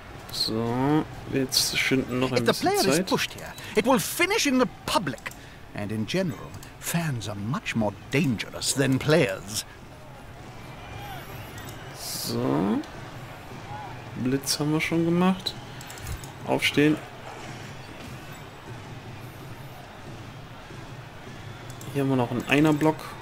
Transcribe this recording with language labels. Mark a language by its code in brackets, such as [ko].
[de] So. Jetzt schinden noch ein bisschen Zeit. [en] And in general, fans are much more dangerous than players. [de] So. Blitz haben wir schon gemacht. Aufstehen. Hier haben wir noch einen Einerblock.